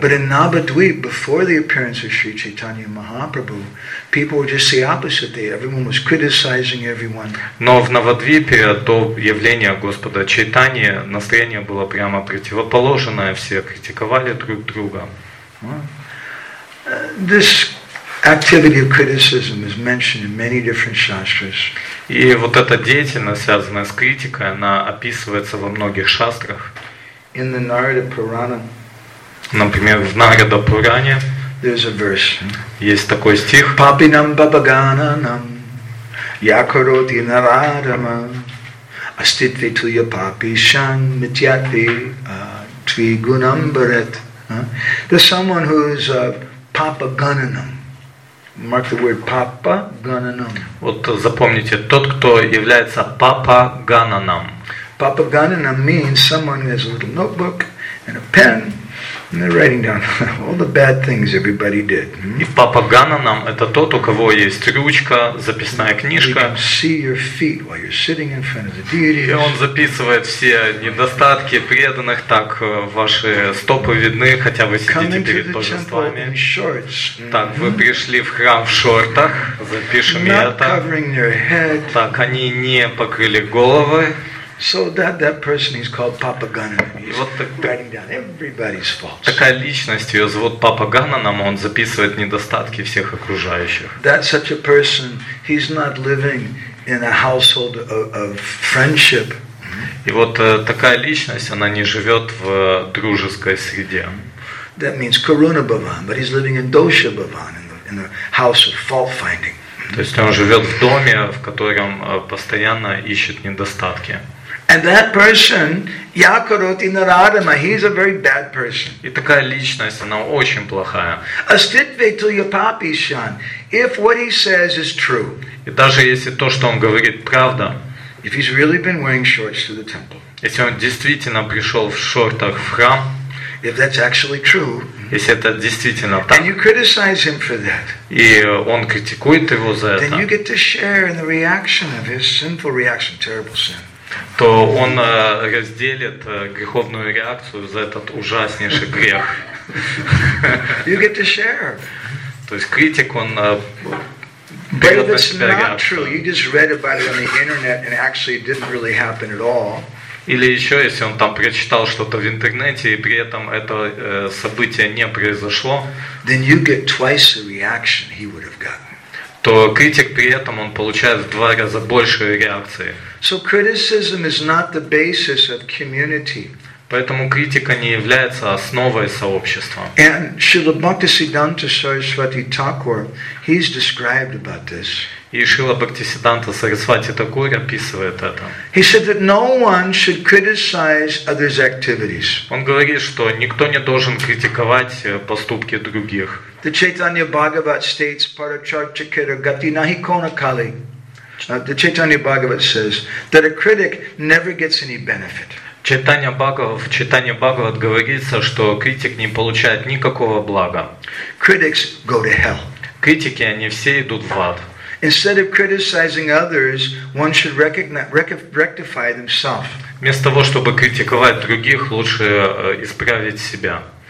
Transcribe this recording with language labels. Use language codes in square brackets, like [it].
[en] But in Navadvip, before the appearance of Sri Chaitanya Mahaprabhu, people were just the opposite. Everyone was criticizing everyone. [ru] Но в Навадвипе до явления Господа Чайтаньи настроение было прямо противоположное. Все критиковали друг друга. [en] This activity of criticism is mentioned in many different shastras. [ru] И вот эта деятельность, связанная с критикой, она описывается во многих шастрах. [en] In the Narada Purana. [ru] Например, в Нарада Пуране. [en] There's a verse. [ru] Есть такой стих. [sa] Papinam babagananam yakaroti naradama astitvi tuya papishan mityati tvigunam bharat. [en] There's someone who's papagananam. Mark the word Papa Gananam. [ru] Вот запомните, тот, кто является Папа Гананам. [en] Papa Gananam means someone who has a little notebook and a pen and they're writing down all the bad things everybody did. [ru] И Папа Гананам это тот, у кого есть ручка, записная книжка. [en] You can see your feet while you're sitting in front of the deities. [ru] И он записывает все недостатки преданных, так ваши стопы видны, хотя вы сидите перед божествами. Так, вы пришли в храм в шортах, запишем и это. Так, они не покрыли головы. [en] So that person is called Papa Gananam. He's [ru] вот так, [en] writing down everybody's faults. [ru] Такая личность, ее зовут Папа Гананам, он записывает недостатки всех окружающих. [en] That such a person, he's not living in a household of friendship. [ru] И вот такая личность, она не живет в дружеской среде. [en] That means Karuna Bhavan, but he's living in Dosha Bhavan, in the house of fault finding. [ru] То есть он живет в доме, в котором постоянно ищет недостатки. [en] And that person, Yakaroti Naradama, he's a very bad person. [ru] И такая личность, она очень плохая. [en] Astitvetu Yapapishan, if what he says is true. [ru] И даже если то, что он говорит, правда. [en] If he's really been wearing shorts to the temple. [ru] Если он действительно пришел в шортах в храм. [en] If that's actually true. [ru] Если это действительно так. [en] And you criticize him for that. [ru] И он критикует его за это. [en] Then you get to share in the reaction of his sinful reaction, terrible sin. [ru] То он разделит греховную реакцию за этот ужаснейший грех. [en] You get to share. [ru] То есть критик, он берет на себя реакцию. [en] You just read about it on the internet and actually it didn't really happen at all. [ru] Или еще, если он там прочитал что-то в интернете и при этом это событие не произошло. [en] Then you get twice the reaction he would have gotten. [ru] То критик при этом он получает в два раза больше реакции. [en] So criticism is not the basis of community. [ru] Поэтому критика не является основой сообщества. [en] And Srila Bhaktisiddhanta Saraswati Thakur, he's described about this. [ru] И Шрила Бхактисиддханта Сарасвати Такур описывает это. [en] He said that no one should criticize others' activities. [ru] Он говорит, что никто не должен критиковать поступки других. [en] The Chaitanya Bhagavat states, [bn] Parachartchakira gati nahi kona kali. [en] The Chaitanya Bhagavat says that a critic never gets any benefit. [ru] В Чайтанья Бхагават говорится, что критик не получает никакого блага. [en] Critics go to hell. [ru] Критики, они все идут в ад. [en] Instead of criticizing others, one should rectify themselves. [ru] Вместо того, чтобы критиковать других, лучше исправить себя.